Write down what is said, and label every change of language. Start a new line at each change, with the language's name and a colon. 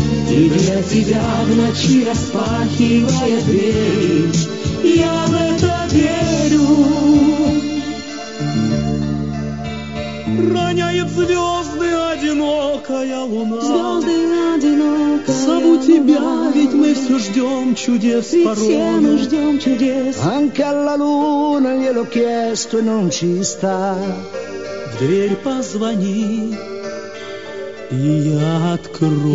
Russian: И для тебя в ночи распахивая двери, я в это верю. Роняет звезды одинокая луна. Звезды одинокая. Зову тебя, ведь мы все ждем чудес порой. Ведь все мы ждем чудес.
Italian: Anche alla luna glielo chiesto e non ci sta.
Russian: В дверь позвони, и я открою.